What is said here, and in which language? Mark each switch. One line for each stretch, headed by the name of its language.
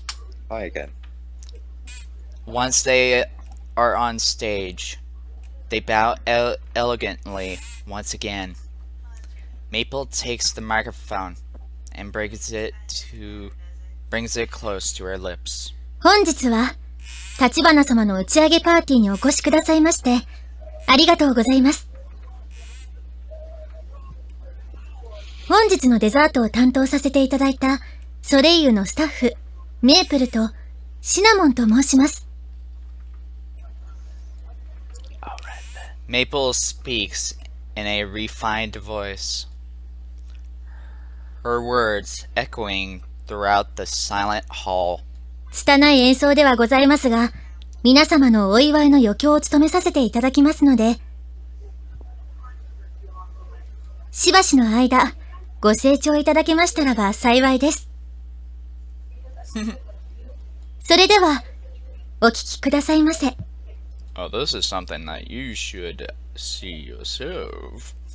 English: Oh. Hi again. Once they are on stage, they bow elegantly once again. Maple takes the microphone and brings it close to her lips.
Japanese: 本日は橘様の打ち上げパーティーにお越しくださいましてありがとうございます。本日のデザートを担当させていただいたソレイユのスタッフ、メープルとシナモンと申します。
English: メープル speaks in a refined voice, her words echoing throughout the silent hall.
Japanese: 拙い演奏ではございますが、皆様のお祝いの余興を務めさせていただきますので、しばしの間、ご成長いただけましたらば幸いです。それでは、お聞きくださいませ。
English: Oh, this is something that you should see yourself.